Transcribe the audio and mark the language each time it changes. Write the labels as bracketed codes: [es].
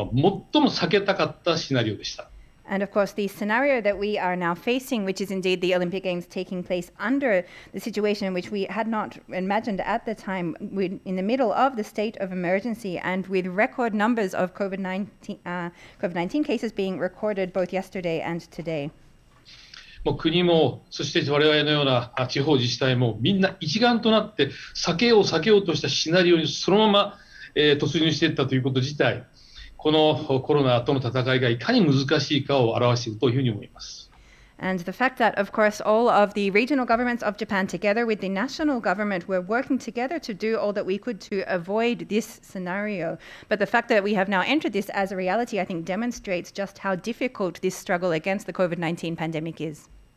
[ja] それがまさかこの緊急事態宣言、この今日もですね、昨日も、コロナの患者数は新記録を作っていますけども、そんな中で東京オリンピックっていうのは最も避けたかったシナリオでした。 [en] And of course, the scenario that we are now facing, which is indeed the Olympic Games taking place under the situation which we had not imagined at the time, in the middle of the state of emergency and with record numbers of COVID-19 cases being recorded both yesterday and today. [ja] もう国もそして我々のような地方自治体もみんな一丸となって避けよう避けようとしたシナリオにそのまま突入していったということ自体、 このコロナとの戦いがいかに難しいかを表しているというふうに思います。 [en] And the fact that, of course, all of the regional governments of Japan together with the national government were working together to do all that we could to avoid this scenario. But the fact that we have now entered this as a reality, I think, demonstrates just how difficult this struggle against the COVID-19 pandemic is.